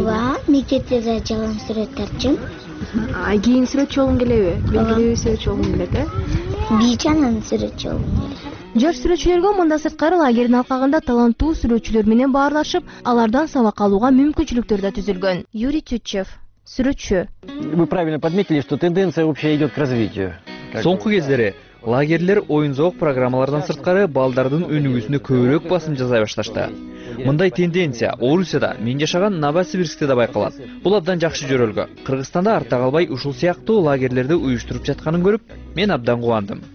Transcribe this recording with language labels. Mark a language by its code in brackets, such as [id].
[ky] Ооба, мектепте да жалаң сүрөт тартчум. А кийин сүрөтчү болгуң келеби? Белгилүү сүрөтчү болгуң келет, э? Бийч анан сүрөтчү болгуң келет. Жаш сүрөтчүлөргө мындан сырткары лагердин алкагында таланттуу сүрөтчүлөр менен баарлашып, алардан сабак алууга мүмкүнчүлүктөр да түзүлгөн. Юрий Чучев, сүрөтчү. [ru] Вы правильно подметили, что тенденция общая идет к развитию. [ky] Соңку кездери лагерлер оюн зоок программалардан сырткары балдардын өнүгүүсүнө көбүрөөк басым жасай башташты. Мындай тенденция Орусияда, мен жашаган Новосибирскте да байкалат. Бул абдан жакшы жөрөлгө. Кыргызстанда артта калбай ушул сыяктуу лагерлерди уюштуруп жатканын көрүп, мен абдан кубандым.